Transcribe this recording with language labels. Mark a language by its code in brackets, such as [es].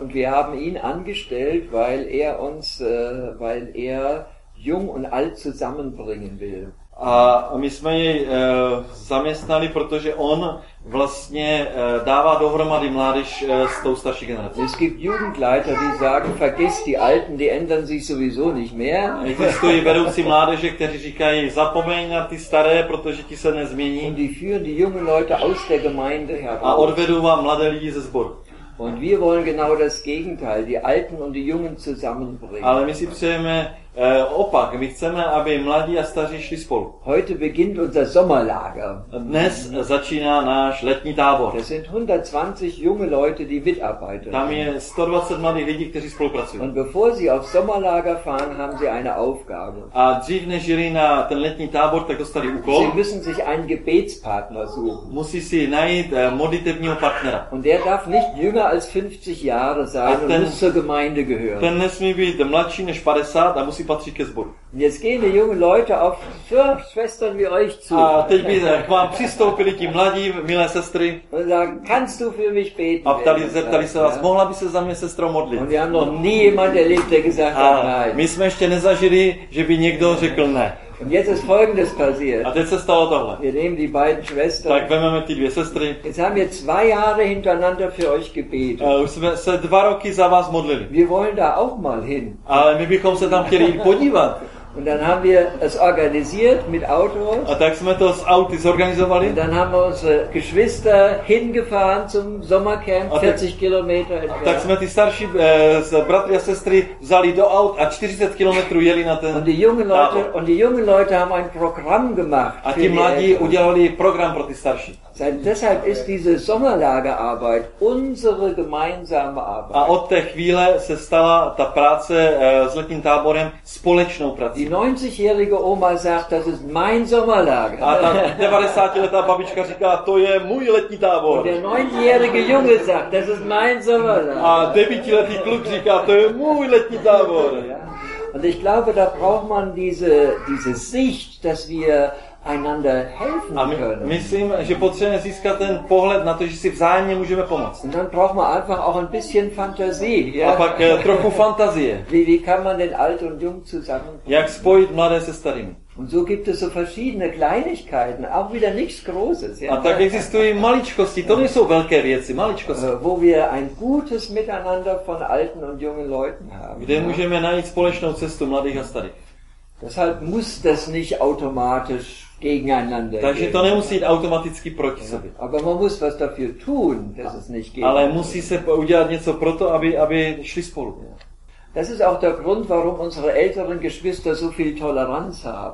[de] Und wir haben ihn angestellt, weil er uns, weil er jung und alt zusammenbringen will. [cs] A my jsme jej zaměstnali, protože on vlastně dává dohromady mládež s tou starší generací. [de] Es gibt Jugendleiter, die sagen, vergiss die Alten, die ändern sich sowieso nicht mehr. [cs] Existují vedoucí mládeže, kteří říkají, zapomeň na ty staré, protože ti se nezmění. [de] Und die führen die jungen Leute aus der Gemeinde heraus. [cs] A odvedou vám mladé lidi ze sboru. [de] Und wir wollen genau das Gegenteil, die Alten und die Jungen zusammenbringen. [cs] Ale my si přejeme opak, my chceme, aby mladí a staří šli spolu. [de] Heute beginnt unser Sommerlager. [cs] Dnes začíná náš letní tábor. [de] Das sind 120 junge Leute, die mitarbeiten. [cs] Tam je 120 mladých lidí, kteří spolupracují. [de] Und bevor sie auf Sommerlager fahren, haben sie eine Aufgabe. [cs] A dřív než jeli na ten letní tábor, tak dostali úkol. [de] Sie müssen sich einen Gebetspartner suchen. [cs] Musí si najít modlitebního partnera. [de] Und der darf nicht jünger als 50 Jahre sein und muss zur Gemeinde gehören. [cs] Ten nesmí být mladší než 50 a musí patřit ke sboru. [de] Jetzt gehen die jungen Leute auf Schwestern wie euch zu. [cs] A teď by k vám přistoupili ti mladí, milé sestry. [de] Und sagen, kannst du für mich beten? [cs] A ptali, zeptali se vás, mohla by se za mě sestro modlit? [de] Und wir haben noch nie jemand erlebt, der gesagt hat, nein. [cs] My jsme ještě nezažili, že by někdo řekl ne. [de] Und jetzt ist Folgendes passiert. [cs] A teď se stalo tohle. [de] Wir nehmen die beiden Schwestern. [cs] Tak vememe ty dvě sestry. [de] Jetzt haben wir zwei Jahre hintereinander für euch gebetet. [cs] Už jsme se dva roky za vás modlili. [de] Wir wollen da auch mal hin. [cs] Ale my bychom se tam chtěli podívat. [de] Und dann haben wir es organisiert mit Autos. [cs] A tak jsme to s auty zorganizovali. [de] Und dann haben wir unsere Geschwister hingefahren zum Sommercamp, 40 Kilometer entfernt. [cs] A tak jsme ty starší bratry a sestry vzali do aut a 40 kilometrů jeli na ten. [de] Und die jungen Leute und die jungen Leute haben ein Programm gemacht. [cs] A ti mladí udělali program pro ty starší. [de] Seit deshalb ist diese Sommerlagerarbeit unsere gemeinsame Arbeit. [cs] A od té chvíle se stala ta práce s letním táborem společnou prací. [de] Die 90-jährige Oma sagt, das ist mein Sommerlager. [cs] A ta 90-letá babička říká, to je můj letní tábor. [de] Und der 90-jährige Junge sagt, das ist mein Sommerlager. [cs] A 9-letý kluk říká, to je můj letní tábor. [de] Und ich glaube, da braucht man diese Sicht, dass wir einander helfen können. [cs] Myslím, že potřebujeme získat ten pohled na to, že si vzájemně můžeme pomoct. [de] Und dann braucht man einfach auch ein bisschen Fantasie. Ja? [cs] A pak trochu fantazie. [de] Wie kann man denn alt und jung zusammen? [cs] Jak spojit mladé se starými? [de] Und so gibt es so verschiedene Kleinigkeiten, auch wieder nichts Großes. Ja? [cs] A tak existují maličkosti, to nejsou velké věci, maličkosti. [de] Wo wir ein gutes Miteinander von alten und jungen Leuten haben. [cs] Kde můžeme najít společnou cestu mladých a starých. [de] Deshalb muss das nicht automatisch gegeneinander. [cs] Takže to nemusí jít automaticky proti sobě. [de] Aber man muss was dafür tun, dass es nicht geht. [cs] Ale musí se udělat něco pro to, aby šli spolu. [de] Das ist auch der Grund, warum unsere älteren Geschwister so viel Toleranz haben.